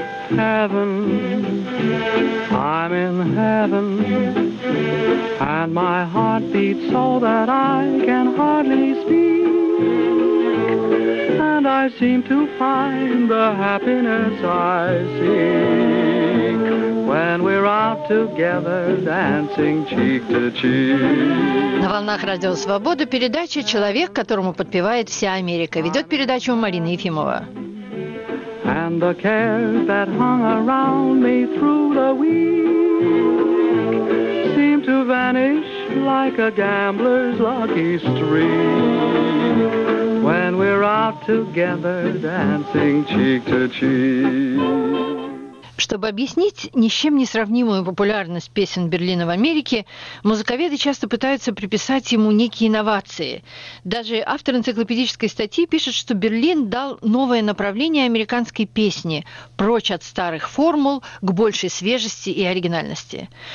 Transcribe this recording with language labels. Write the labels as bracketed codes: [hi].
[en] Heaven, I'm in heaven, and my heart beats so that I can hardly speak. And I seem to find the happiness I seek when we're out together dancing cheek to cheek. [ru] На волнах Радио Свобода передача «Человек, которому подпевает вся Америка». Ведет передачу Марина Ефимова. [en] And the cares that hung around me through the week seem to vanish like a gambler's lucky streak. When we're out together, dancing cheek to cheek. [ru] Чтобы объяснить ни с чем не сравнимую популярность песен Берлина в Америке, музыковеды часто пытаются приписать ему некие инновации. Даже автор энциклопедической статьи пишет, что Берлин дал новое направление американской песни, прочь от старых формул, к большей свежести и оригинальности.